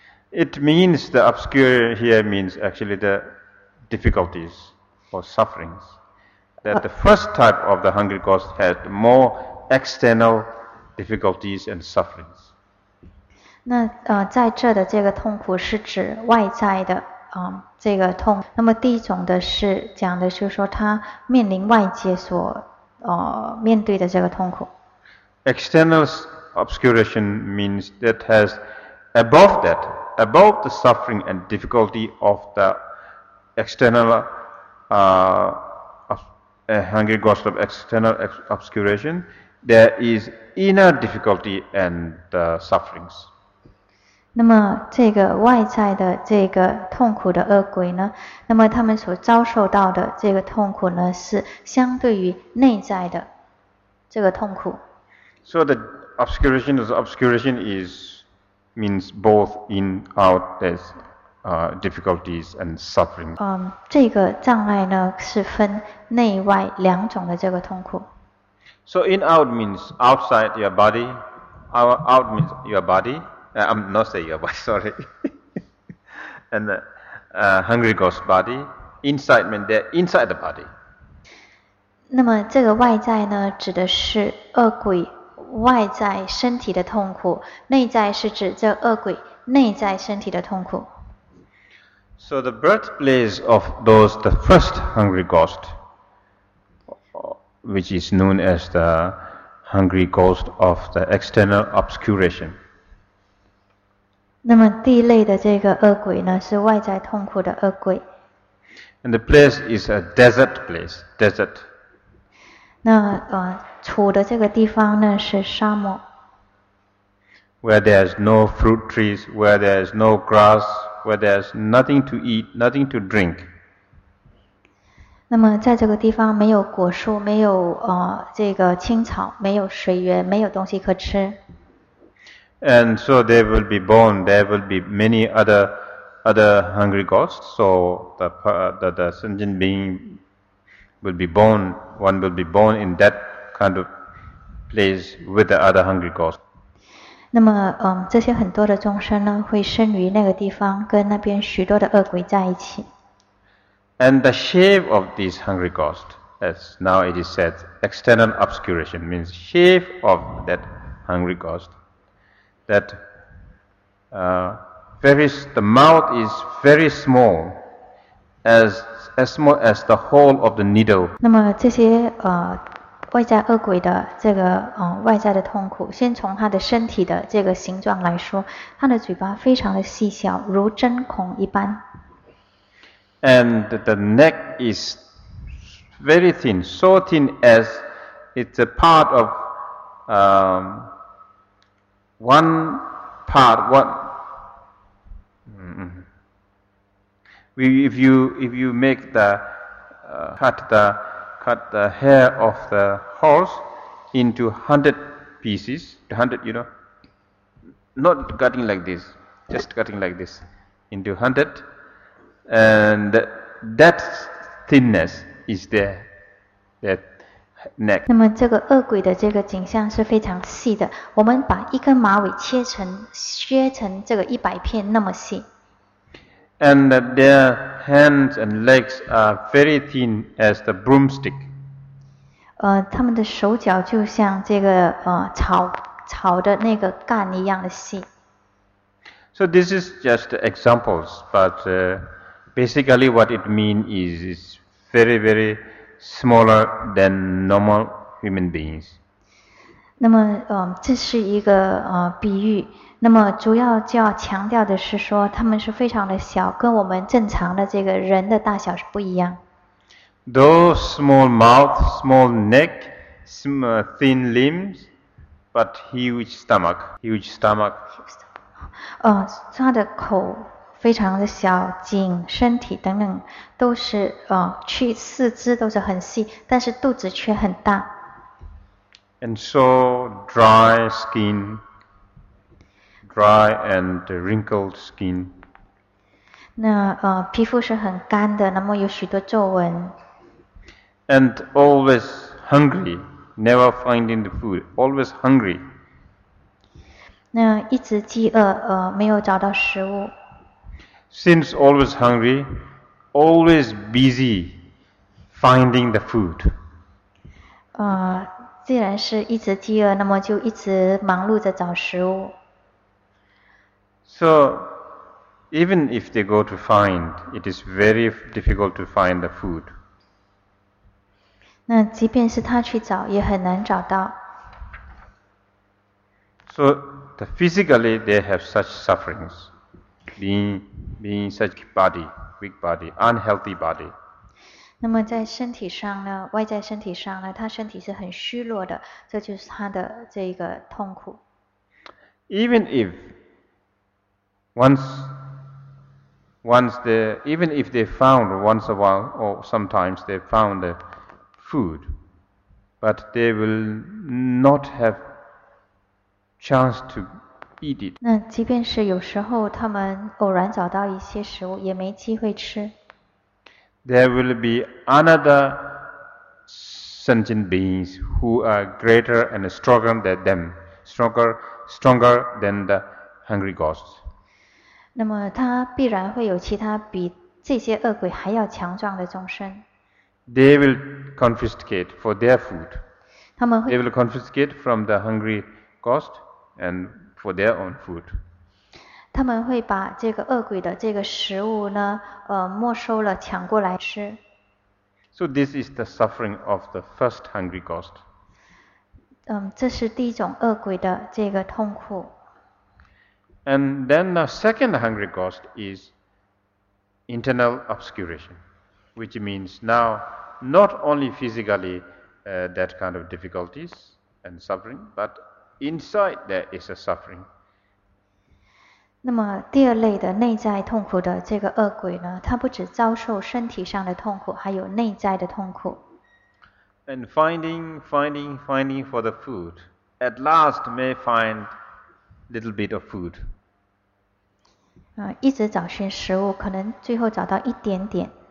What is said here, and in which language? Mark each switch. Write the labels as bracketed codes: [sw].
[en] It means the obscure here means actually the difficulties or sufferings. That the first type of the hungry ghost had more external difficulties and sufferings. [zh] 那在这的这个痛苦是指外在的。这个痛，那么第一种的是讲的是说他面临外界所面对的这个痛苦。 [en] External obscuration means that has above that, above the suffering and difficulty of the external hungry ghost of external obscuration, there is inner difficulty and sufferings. [zh] 那么这个外在的这个痛苦的恶鬼呢，那么他们所遭受到的这个痛苦呢，是相对于内在的这个痛苦。 [en] So the obscuration is obscuration is means both in out there's difficulties and suffering. [zh] 这个障碍呢是分内外两种的这个痛苦。 [en] So in out means outside your body, out means your body. I'm not saying your body, sorry. And the hungry ghost body, inside means they're inside the body. [zh] 那么这个外在呢，指的是恶鬼外在身体的痛苦，内在是指这恶鬼内在身体的痛苦。 [en] So the birthplace of those, the first hungry ghost, which is known as the hungry ghost of the external obscuration. [zh] 那么第一类的这个恶鬼呢，是外在痛苦的恶鬼。 [en] And the place is a desert place, desert. [zh] 那处的这个地方呢是沙漠。 [en] Where there is no fruit trees, where there is no grass, where there is nothing to eat, nothing to drink. [zh] 那么在这个地方没有果树，没有这个青草，没有水源，没有东西可吃。 [en] And so there will be born, there will be many other hungry ghosts. So the sentient being will be born, one will be born in that kind of place with the other hungry ghosts. [zh] 那么这些很多的众生呢，会生于那个地方，跟那边许多的恶鬼在一起。 [en] And the shape of these hungry ghosts, as now it is said, external obscuration means shape of that hungry ghost. That the mouth is very small, as small as the hole of the needle. [zh] 那么这些外在恶鬼的这个外在的痛苦，先从他的身体的这个形状来说，他的嘴巴非常的细小，如针孔一般。 [en] And the neck is very thin, so thin as it's a part of one part. What if you make the cut the hair of the horse into 100 pieces, 100, you know, not cutting like this, just cutting like this into 100, and that thinness is there, that neck. [zh] 那么这个恶鬼的这个景象是非常细的，我们把一根马尾削成这个100片那么细。 [en] And their hands and legs are very thin as the broomstick. [zh] 他们的手脚就像这个草的那个杆一样的细。 [en] So this is just examples, but basically what it means is it's very, very smaller than normal human beings. [zh] 那么这是一个比喻。那么主要就要强调的是说，他们是非常的小，跟我们正常的这个人的大小是不一样。 [en] Those small mouth, small neck, some thin limbs, but huge stomach, huge stomach. [zh] 他的口非常的小，颈、身体等等都是去四肢都是很细，但是肚子却很大。 [en] And so dry skin. Dry and wrinkled skin. [zh] 那皮肤是很干的，那么有许多皱纹。 [en] And always hungry, never finding the food. Always hungry. [zh] 那一直饥饿，没有找到食物。 [en] Since always hungry, always busy finding the food. [zh] 既然是一直饥饿，那么就一直忙碌着找食物。 [en] So, even if they go to find, it is very difficult to find the food. [zh] 那即便是他去找，也很难找到。 [en] So, the physically, they have such sufferings, being such body, weak body, unhealthy body. [zh] 那么在身体上呢，外在身体上呢，他身体是很虚弱的，这就是他的这个痛苦。 [en] Even if Once they found the food, but they will not have chance to eat it. [zh] 那即便是有时候他们偶然找到一些食物，也没机会吃。 [en] There will be another sentient beings who are greater and stronger than them, stronger than the hungry ghosts. [zh] 那么他必然会有其他比这些恶鬼还要强壮的众生。 [en] They will confiscate for their food. [zh] 他们会 [en] They will confiscate from the hungry ghost and for their own food. [zh] 他们会把这个恶鬼的这个食物呢，没收了，抢过来吃。 [en] So this is the suffering of the first hungry ghost. [zh] 这是第一种恶鬼的这个痛苦。 [en] And then the second hungry ghost is internal obscuration, which means now not only physically that kind of difficulties and suffering, but inside there is a suffering. [zh] 那么第二类的内在痛苦的这个恶鬼呢，他不只遭受身体上的痛苦，还有内在的痛苦。 [en] And finding for the food, at last may find little bit of food. [zh] 一直找寻食物，可能最后找到一点点。